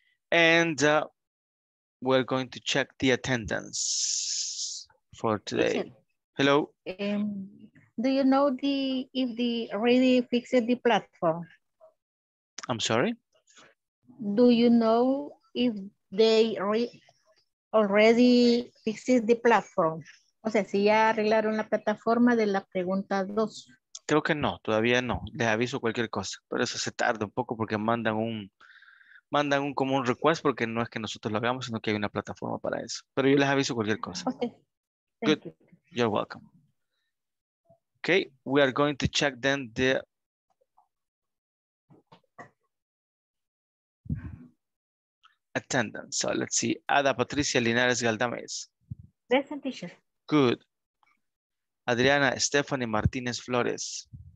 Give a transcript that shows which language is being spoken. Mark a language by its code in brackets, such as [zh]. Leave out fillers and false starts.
[en] And we're going to check the attendance for today. Listen. Hello. Do you know if the already fixed the platform? I'm sorry? Do you know if they already fixed the platform? [es] O sea, si ya arreglaron la plataforma de la pregunta 2. Creo que no, todavía no. Les aviso cualquier cosa. Pero eso se tarda un poco porque mandan un común request, porque no es que nosotros lo hagamos, sino que hay una plataforma para eso. Pero yo les aviso cualquier cosa. [en] Okay. Good. You're welcome. Okay, we are going to check then the attendance. So let's see, Ada Patricia Linares Galdames. Present, teacher. Good. Adriana Stephanie Martinez Flores.